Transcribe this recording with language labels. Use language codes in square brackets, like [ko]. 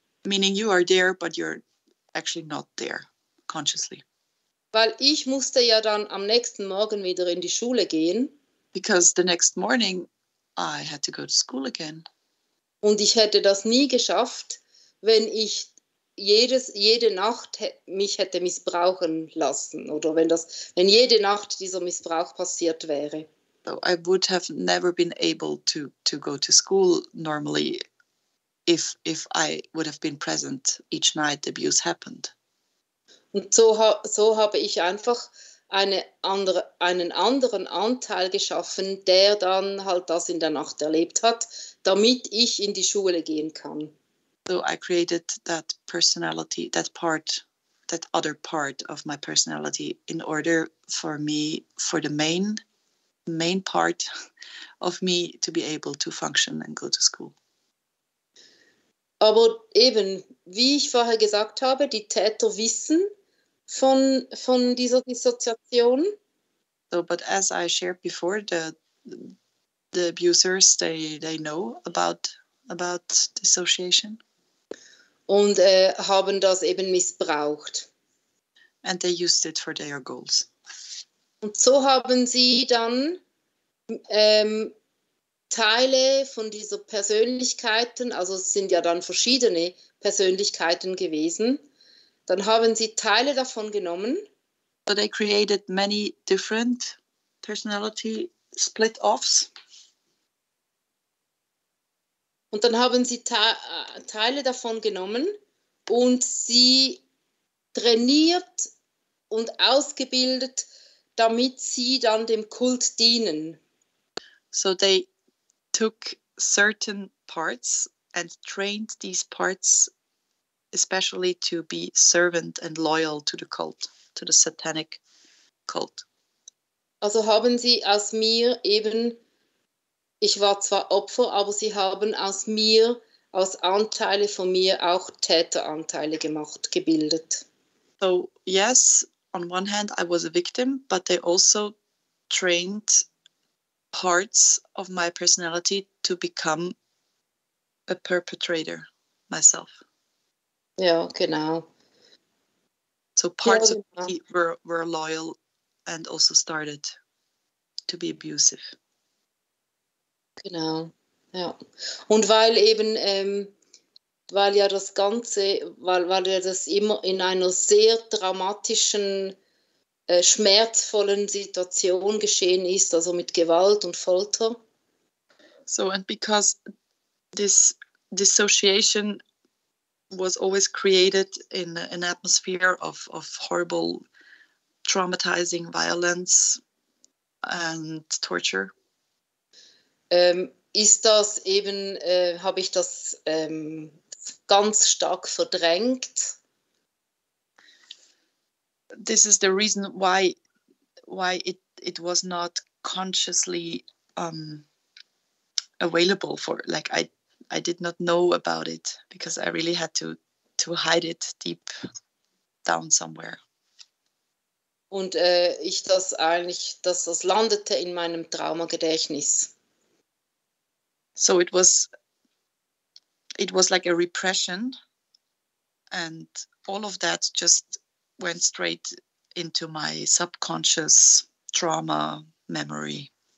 [en] Meaning you are there, but you're actually not there, consciously. [de] Weil ich musste ja dann am nächsten Morgen wieder in die Schule gehen. [en] Because the next morning I had to go to school again. [de] Und ich hätte das nie geschafft, wenn ich jede Nacht mich hätte missbrauchen lassen oder wenn jede Nacht dieser Missbrauch passiert wäre. [en] So I would have never been able to go to school normally if I would have been present each night the abuse happened. [de] Und so habe ich einfach einen anderen Anteil geschaffen, der dann halt das in der Nacht erlebt hat, damit ich in die Schule gehen kann. [en] So I created that personality, that part, that other part of my personality in order for me, for the main part of me to be able to function and go to school. [de] Aber eben, wie ich vorher gesagt habe, die Täter wissen von dieser Dissoziation. [en] So, but as I shared before, the abusers, they know about dissociation. [de] Und haben das eben missbraucht. [en] And they used it for their goals. [de] Und so haben sie dann Teile von dieser Persönlichkeiten, also es sind ja dann verschiedene Persönlichkeiten gewesen, dann haben sie Teile davon genommen. [en] So they created many different personality split-offs. [de] Und dann haben sie Teile davon genommen und sie trainiert und ausgebildet, damit sie dann dem Kult dienen. [en] So they took certain parts and trained these parts especially to be servant and loyal to the cult, to the satanic cult. [de] Also haben sie aus mir eben, ich war zwar Opfer, aber sie haben aus mir, aus Anteile von mir auch Täteranteile gemacht, gebildet. [en] So, yes, on one hand I was a victim, but they also trained parts of my personality to become a perpetrator myself. [de] Ja, genau. [en] So parts of me were loyal and also started to be abusive. [de] Genau, ja. Und weil eben, weil ja das Ganze, weil ja das immer in einer sehr dramatischen, schmerzvollen Situation geschehen ist, also mit Gewalt und Folter. [en] So, and because this dissociation was always created in an atmosphere of horrible, traumatizing violence and torture. [de] Ist das eben, habe ich das ganz stark verdrängt? [en] This is the reason why it was not consciously available for, like I did not know about it, because I really had to hide it deep down somewhere. [de] Und ich das eigentlich, dass das landete in meinem Traumagedächtnis. [en] So it was like a repression, and all of that just went straight into my subconscious trauma memory.